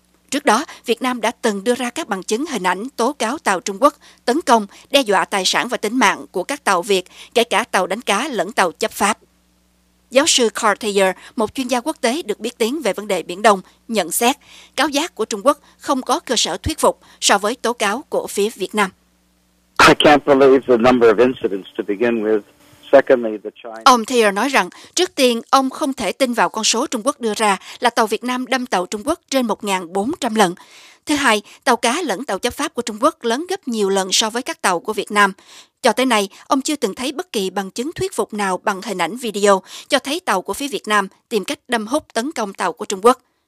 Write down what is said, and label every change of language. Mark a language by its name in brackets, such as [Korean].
[Vietnamese] Trước đó, Việt Nam đã từng đưa ra các bằng chứng hình ảnh tố cáo tàu Trung Quốc tấn công, đe dọa tài sản và tính mạng của các tàu Việt, kể cả tàu đánh cá lẫn tàu chấp pháp. Giáo sư Carl Thayer, một chuyên gia quốc tế được biết tiếng về vấn đề Biển Đông, nhận xét cáo giác của Trung Quốc không có cơ sở thuyết phục so với tố cáo của phía Việt Nam. [English] I can't believe the number of incidents to begin with. [Vietnamese] Ông Thayer nói rằng, trước tiên, ông không thể tin vào con số Trung Quốc đưa ra là tàu Việt Nam đâm tàu Trung Quốc trên 1.400 lần. Thứ hai, tàu cá lẫn tàu chấp pháp của Trung Quốc lớn gấp nhiều lần so với các tàu của Việt Nam. Cho tới nay, ông chưa từng thấy bất kỳ bằng chứng thuyết phục nào bằng hình ảnh video cho thấy tàu của phía Việt Nam tìm cách đâm hút tấn công tàu của Trung Quốc.